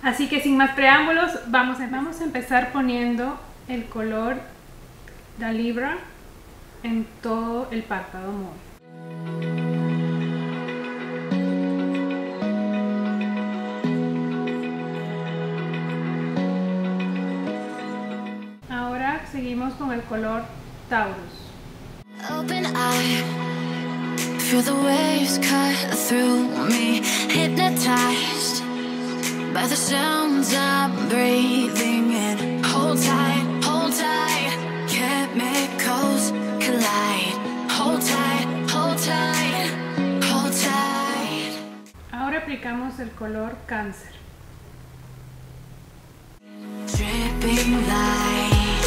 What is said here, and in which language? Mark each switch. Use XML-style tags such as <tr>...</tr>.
<es>Así que sin más preámbulos, vamos a empezar poniendo el color de Libra en todo el párpado móvil. Seguimos con el color Taurus.</es> <en>Open eye, feel the waves cut through me, hypnotized by the sounds I'm breathing in. Hold tight, hold tight, chemicals collide. Hold tight, hold tight, hold tight.</en> <es>Ahora aplicamos el color Cáncer.</es> <en>Dripping light.</en>